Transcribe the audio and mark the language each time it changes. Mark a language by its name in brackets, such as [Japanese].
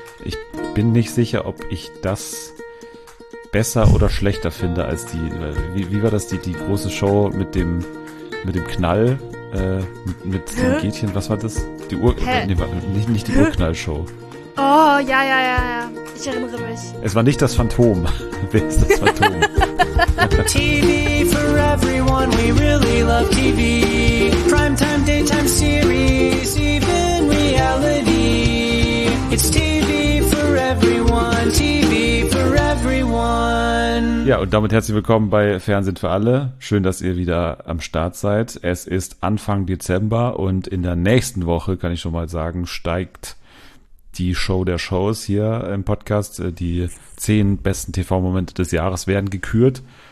[German] Ich bin nicht sicher, ob ich das besser oder schlechter finde als die, wie war das, die große Show mit dem Knall, mit dem Gätchen, was war das? Die Uhr, nicht die Urknallshow. Oh, ja, ich erinnere mich. Es war nicht das Phantom. Wer ist das Phantom? [English] TV for everyone, we really love TV. Primetime, daytime series, even reality. It's TV for everyone, TV for everyone. [German] Ja, und damit herzlich willkommen bei Fernsehen für alle. Schön, dass ihr wieder am Start seid. Es ist Anfang Dezember und in der nächsten Woche, kann ich schon mal sagen, steigt die Show der Shows hier im Podcast. Die 10 besten TV-Momente des Jahres werden gekürt.